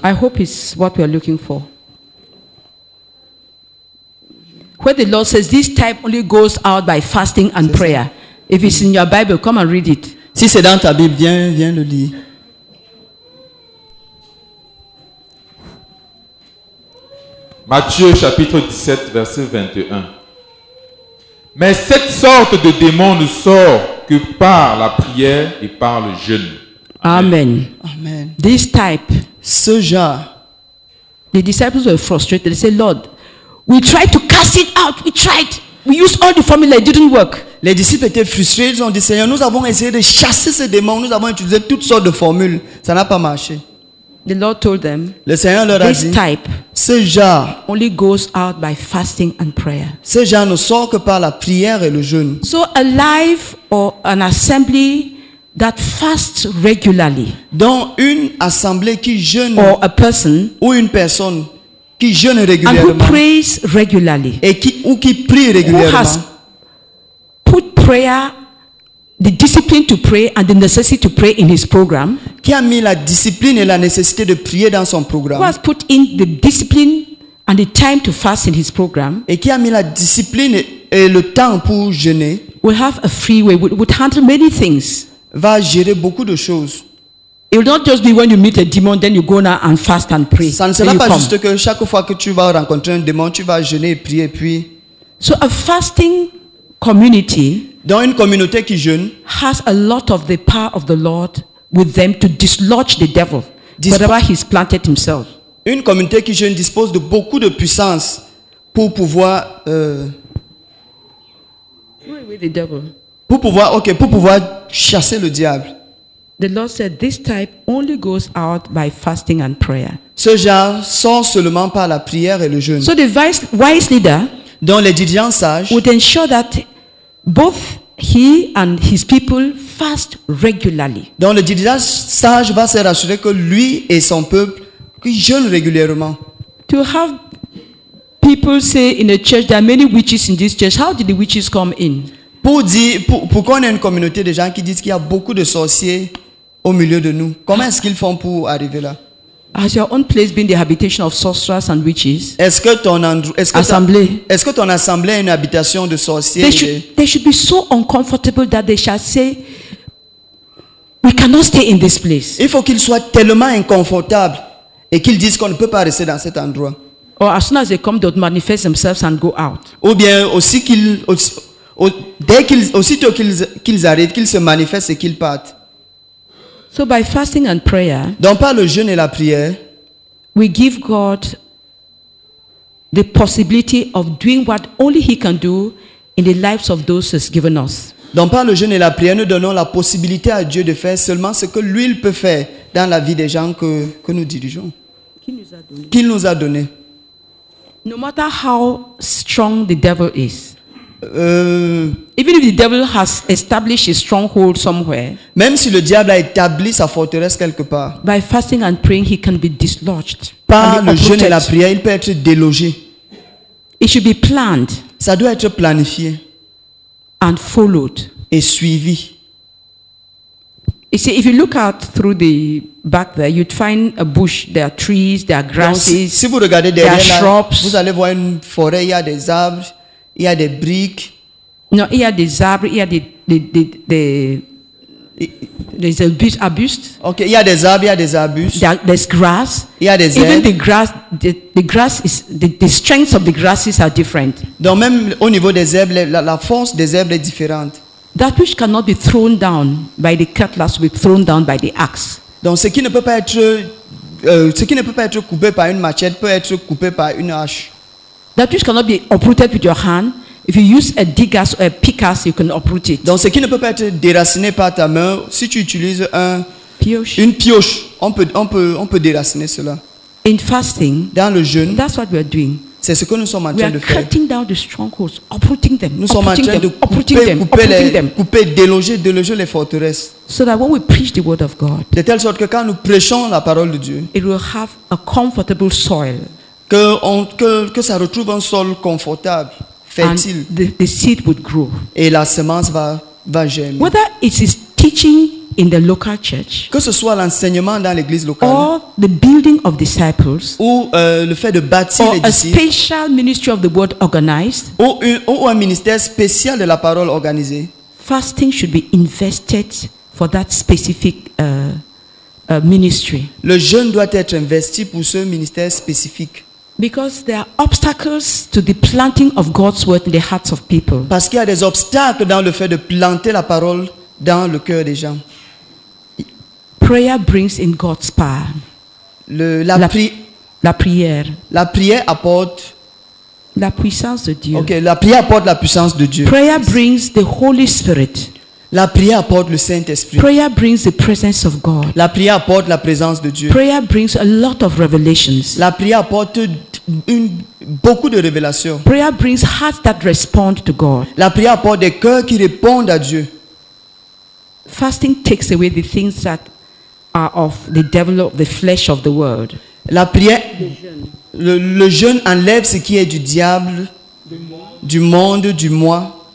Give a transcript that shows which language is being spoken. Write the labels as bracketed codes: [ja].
[en] I hope it's what we are looking for. Where the Lord says this type only goes out by fasting and c'est prayer. [fr] Ça. [en] If it's in your Bible, come and read it. [fr] Si c'est dans ta Bible, viens, viens le lire. Matthieu chapitre 17, verset 21. Mais cette sorte de démon ne sort que par la prière et par le jeûne. Amen. Amen. [en] This type, [fr] ce genre. [en] The disciples were frustrated. They said, Lord, we tried to cast it out. We tried. We used all the formula. It didn't work. [fr] Les disciples étaient frustrés. Ils ont dit, Seigneur, nous avons essayé de chasser ce démon. Nous avons utilisé toutes sortes de formules. Ça n'a pas marché. [en] The Lord told them, [fr] le Seigneur leur a dit, [en] this type, [fr] ce genre, [en] only goes out by fasting and prayer. [fr] Ce genre ne sort que par la prière et le jeûne. [en] So a life or an assembly that fasts regularly. [fr] Dans une assemblée qui jeûne, [en] or a person, [fr] ou une personne qui jeûne régulièrement, [en] and who prays regularly, [fr] et qui, ou qui prie régulièrement, [en] who has put prayer, the discipline to pray and the necessity to pray in his program, [fr] qui a mis la discipline et la nécessité de prier dans son programme, [en] who has put in the discipline and the time to fast in his program, [fr] et qui a mis la discipline et le temps pour jeûner, [en] will have a free way, would handle many things. [fr] Va gérer beaucoup de choses. [en] It will not just be when you meet a demon, then you go now and fast and pray. [fr] Ça ne sera pas juste que chaque fois que tu vas rencontrer un démon, tu vas jeûner et prier, puis. [en] So a fasting community, [fr] dans une communauté qui jeûne, [en] has a lot of the power of the Lord with them to dislodge the devil, whatever he's planted himself. [fr] Une communauté qui jeûne dispose de beaucoup de puissance pour pouvoir. [en] With the devil. [fr] Pour pouvoir, ok, pour pouvoir chasser le diable. [en] The Lord said this type only goes out by fasting and prayer. [fr] Ce genre sort seulement par la prière et le jeûne. [en] So the wise leader, [fr] dont les dirigeants sages, [en] would ensure that both he and his people fast regularly. [fr] Dont le dirigeant sage va se rassurer que lui et son peuple qui jeûnent régulièrement. [en] To have people say in a church there are many witches in this church. How did the witches come in? [fr] Pour qu'on ait une communauté de gens qui disent qu'il y a beaucoup de sorciers au milieu de nous, comment est-ce qu'ils font pour arriver là? [en] Has your own place been the habitation of sorcerers and witches? [fr] Est-ce que ton assemblée est une habitation de sorciers? [en] They should be so uncomfortable that they shall say, we cannot stay in this place. [fr] Il faut qu'ils soient tellement inconfortables et qu'ils disent qu'on ne peut pas rester dans cet endroit. [en] Or as soon as they come, they'll manifest themselves and go out. [fr] Ou bien aussi qu'ils aussitôt qu'ils arrivent, qu'ils se manifestent et qu'ils partent. [en] So by fasting and prayer, [fr] donc par le jeûne et la prière, [en] we give God the possibility of doing what only He can do in the lives of those He's given us. [fr] Donc par le jeûne et la prière, nous donnons la possibilité à Dieu de faire seulement ce que Lui il peut faire dans la vie des gens que nous dirigeons. Qu'il nous a donné. [en] No matter how strong the devil is. Even if the devil has established a stronghold somewhere, [fr] même si le diable a établi sa forteresse quelque part, [en] by fasting and praying he can be dislodged. [fr] Par le jeûne et la prière, il peut être délogé. [en] It should be planned. [fr] Ça doit être planifié. [en] And followed. [fr] Et suivi. [en] You see, if you look out through the back there, you'd find a bush. There are trees. There are grasses. [fr] Donc, si vous regardez derrière, [en] there are shrubs. [fr] Là, vous allez voir une forêt. Il y a des arbres. Il y a des briques. Non, il y a des arbres, il y a des arbustes. Ok, il y a des arbres, il y a des arbustes. [en] There's grass. [fr] Il y a des herbes. [en] Even the grass is the strength of the grasses are different. [fr] Donc même au niveau des herbes, la force des herbes est différente. [en] That which cannot be thrown down by the cutlass will be thrown down by the axe. [fr] Donc ce qui ne peut pas être coupé par une machette peut être coupé par une hache. [en] That which cannot be uprooted with your hand, if you use a digger or a pickaxe, you can uproot it. [fr] Donc, ce qui ne peut pas être déraciné par ta main, si tu utilises une pioche, on peut déraciner cela. [en] In fasting, [fr] dans le jeûne, [en] that's what we are doing. [fr] C'est ce que nous sommes en train de faire. [en] We are cutting down the strongholds, uprooting them. [fr] Nous sommes en train de couper, déloger les forteresses. [en] So that when we preach the word of God, [fr] de telle sorte que quand nous prêchons la parole de Dieu, [en] it will have a comfortable soil. [fr] Que ça retrouve un sol confortable, fertile. [en] And the seed would grow. [fr] Et la semence va germer. [en] Whether it is teaching in the local church, [fr] que ce soit l'enseignement dans l'église locale, [en] or the building of disciples, [fr] ou le fait de bâtir [en] or [fr] les disciples, [en] a special ministry of the word organized, [fr] ou un ministère spécial de la parole organisé, [en] fasting should be invested for that specific ministry. [fr] Le jeûne doit être investi pour ce ministère spécifique. [en] Because there are obstacles to the planting of God's word in the hearts of people. [fr] Parce qu'il y a des obstacles dans le fait de planter la parole dans le cœur des gens. [en] Prayer brings in God's power. [fr] La prière apporte la puissance de Dieu. Okay, la prière apporte la puissance de Dieu. [en] Prayer brings the Holy Spirit. [fr] La prière apporte le Saint-Esprit. [en] Prayer brings the presence of God. [fr] La prière apporte la présence de Dieu. [en] Prayer brings a lot of revelations. [fr] La prière apporte beaucoup de révélations. [en] Prayer brings hearts that respond to God. [fr] La prière apporte des cœurs qui répondent à Dieu. [en] Fasting takes away the things that are of the devil of the flesh of the world. [fr] La prière, le jeûne enlève ce qui est du diable, du monde, du moi.